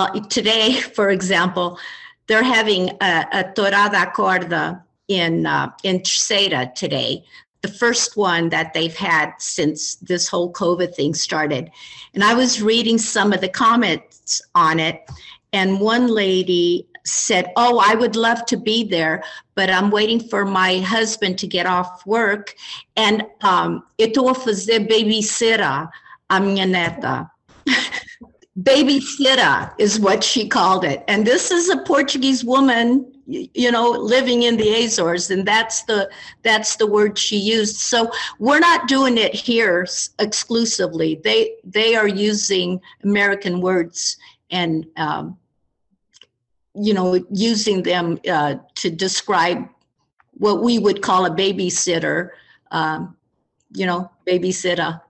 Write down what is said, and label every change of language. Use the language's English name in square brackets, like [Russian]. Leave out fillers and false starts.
[English] Today, for example, they're having a torada corda in Terceira today, the first one that they've had since this whole COVID thing started. And I was reading some of the comments on it, and one lady said, oh, I would love to be there, but I'm waiting for my husband to get off work. [Portuguese] And eu vou fazer babysitter a minha neta. [English] Babysitter is what she called it. And this is a Portuguese woman, you know, living in the Azores, and that's the word she used. So we're not doing it here exclusively. They are using American words and, you know, using them to describe what we would call a babysitter, you know, babysitter.